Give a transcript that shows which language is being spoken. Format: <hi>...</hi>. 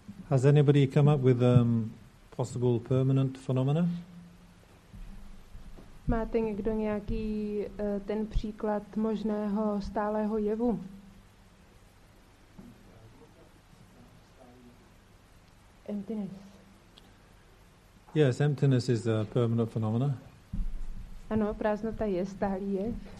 <en>Has anybody come up with possible permanent phenomena?</en> <cs>Máte někdo nějaký ten příklad možného stálého jevu?</cs> <en>Emptiness. Yes, emptiness is a permanent phenomena.</en> <cs>Ano, prázdnota je stálý jev.</cs>